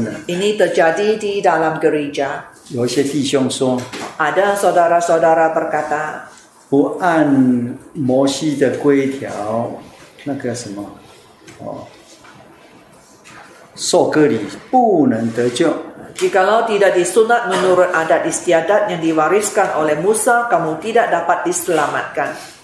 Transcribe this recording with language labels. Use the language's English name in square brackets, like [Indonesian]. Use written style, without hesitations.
[Malay] Ini terjadi di dalam gereja. [Chinese] 有些弟兄说, [Malay] ada saudara-saudara berkata, [Chinese] 不按摩西的规条, 那个什么, 受割礼, 不能得救。 [Malay] Jikalau tidak disunat menurut adat istiadat yang diwariskan oleh Musa, kamu tidak dapat diselamatkan.